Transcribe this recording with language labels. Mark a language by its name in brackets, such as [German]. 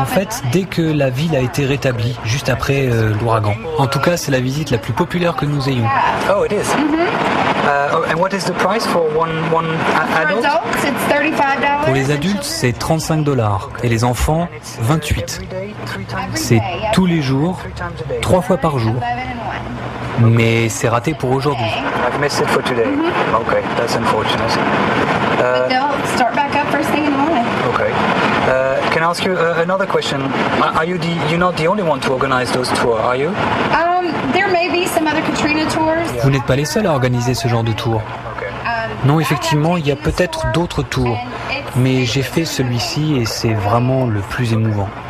[French] En fait, dès que la ville a été rétablie, juste après l'ouragan. En tout cas, c'est la visite la plus populaire que nous ayons. [English] Oh, it is. And what is the price for one adult? For adults, it's $35. [French] Pour les adultes, c'est $35. Et les enfants, 28. C'est tous les jours, trois fois par jour. Mais c'est raté pour aujourd'hui. [English] I've missed it for today. Mm-hmm. Okay, that's unfortunate. But they'll start back up first thing in the morning. Okay. Can I ask you another question? Are you you're not the only one to organize those tours, are you? There may be some other Katrina tours. [French] Vous n'êtes pas les seuls à organiser ce genre de tour. Non, effectivement, il y a peut-être d'autres tours. Mais j'ai fait celui-ci et c'est vraiment le plus émouvant.